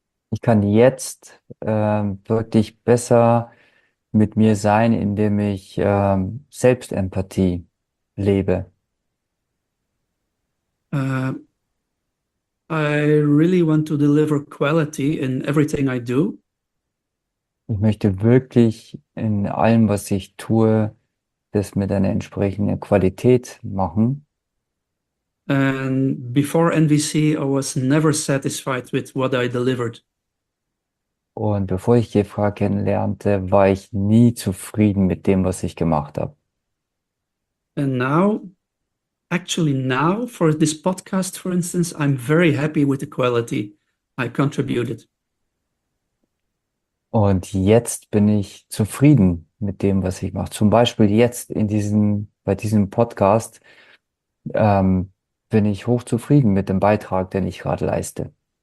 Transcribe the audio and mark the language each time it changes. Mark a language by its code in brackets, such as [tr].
[de] Ich kann jetzt wirklich besser mit mir sein, indem ich Selbstempathie lebe. [en] I really want to deliver quality in everything I do. [de] Ich möchte wirklich in allem, was ich tue, das mit einer entsprechenden Qualität machen. [en] And before NVC, I was never satisfied with what I delivered. [de] Und bevor ich GFK kennenlernte, war ich nie zufrieden mit dem, was ich gemacht habe. [en] And now. Actually, now for this podcast, for instance, I'm very happy with the quality I contributed. [de] Und jetzt bin ich zufrieden mit dem, was ich mache. Zum Beispiel jetzt bei diesem Podcast, bin ich hochzufrieden mit dem Beitrag, den ich gerade leiste.